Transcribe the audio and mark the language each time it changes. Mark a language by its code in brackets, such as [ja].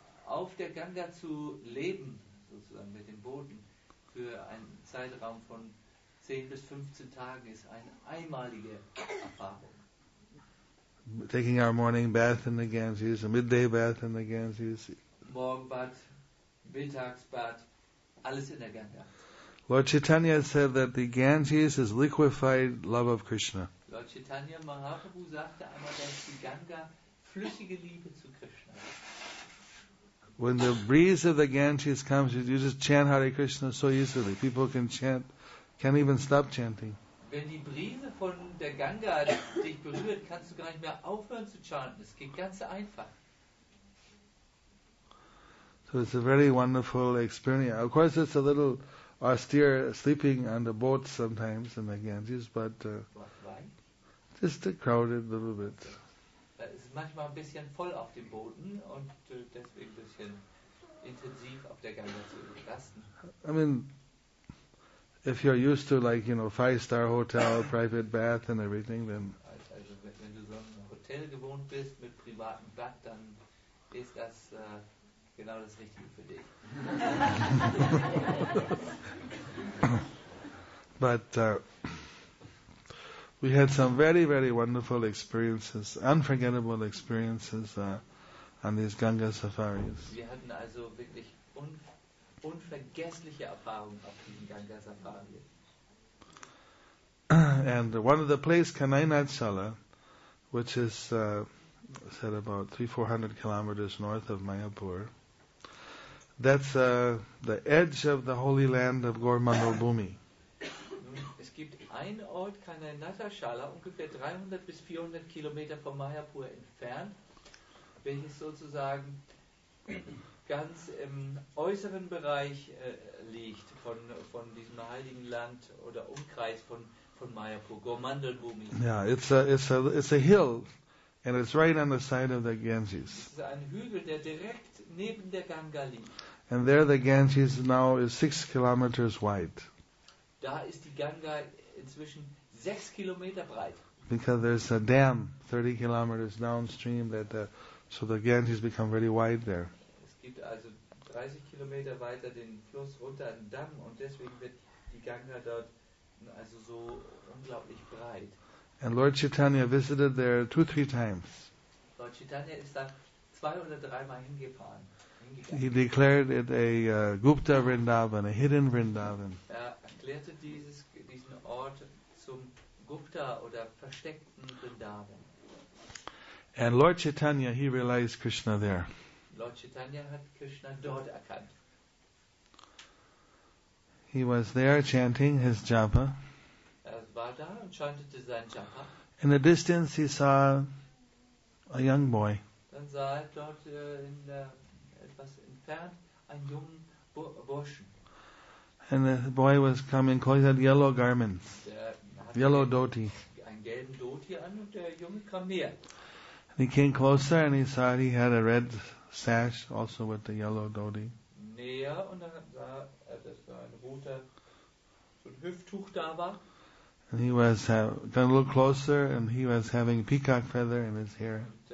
[de] Auf der Ganga zu leben, sozusagen mit dem Boden, für einen Zeitraum von 10 bis 15 Tagen ist eine einmalige Erfahrung. [en] Taking our morning bath in the Ganges, a midday bath in the Ganges. [de] Morgenbad, Mittagsbad, alles in der Ganga. [en] Lord Chaitanya said that the Ganges is liquefied love of Krishna. [de] Lord Chaitanya Mahaprabhu sagte einmal, dass die Ganga flüssige Liebe zu Krishna ist. [en] When the breeze of the Ganges comes, you just chant Hare Krishna so easily. People can chant, can't even stop chanting. [de] Wenn die Brise von der Ganga dich berührt, kannst du gar nicht mehr aufhören zu chanten. Es geht ganz einfach. [en] So it's a very wonderful experience. Of course, it's a little austere sleeping on the boat sometimes in the Ganges, but just crowded a little bit. [de] Es ist manchmal ein bisschen voll auf den Booten und deswegen ein bisschen intensiv auf der Ganga zu rasten. [en] I mean, if you're used to, like, you know, 5-star hotel, private bath and everything, then... [de] Also, wenn du so ein Hotel gewohnt bist mit privatem Bad, dann ist das genau das Richtige für dich. [en] But... We had some very, very wonderful experiences, unforgettable experiences on these Ganga safaris. [de] Wir hatten also wirklich unvergessliche Erfahrungen auf diesen Ganga safaris. [en] And one of the places, Kanainatsala, which is said about 300-400 kilometers north of Mayapur, that's the edge of the holy land of Gaur-Mandal Bhumi. [de] Es gibt einen Ort, Kanainatsala, ungefähr 300 bis 400 Kilometer von Mayapur entfernt, welches sozusagen ganz im äußeren Bereich liegt von diesem heiligen Land oder Umkreis von Mayapur, Gaur-Mandal Bhumi. [en] Yeah, it's a hill and it's right on the side of the Ganges. [de] Es ist ein Hügel, der direkt neben der Ganga liegt. [en] And there the Ganges now is 6 kilometers wide. [de] Da ist die Ganga inzwischen 6 Kilometer breit. [en] Because there's a dam 30 kilometers downstream so the Ganges become very wide there. [de] Es gibt also 30 Kilometer weiter den Fluss runter einen Damm und deswegen wird die Ganga dort also so unglaublich breit. [en] And Lord Chaitanya visited there 2-3 times. [de] Lord Chaitanya ist da 2 oder 3 Mal hingefahren. [en] He declared it a Gupta Vrindavan, a hidden Vrindavan. [de] Er erklärte diesen Ort zum Gupta oder versteckten Vrindavan. [en] And Lord Chaitanya, he realized Krishna there. [de] Lord Chaitanya hat Krishna dort erkannt. [en] He was there chanting his japa. [de] Er war da und chantete sein japa. [en] In the distance he saw a young boy. [de] Dann sah er dort in der etwas entfernt, ein jungen Burschen. [en] And the boy was coming, he had yellow garments, yellow dhoti. [de] Einen gelben dhoti an und der Junge kam näher. [en] And he came closer and he saw he had a red sash also with the yellow dhoti. [de] Näher und dann sah er, dass da ein roter so ein Hüfttuch da war. [en] And he was got a little closer and he was having peacock feather in his hair.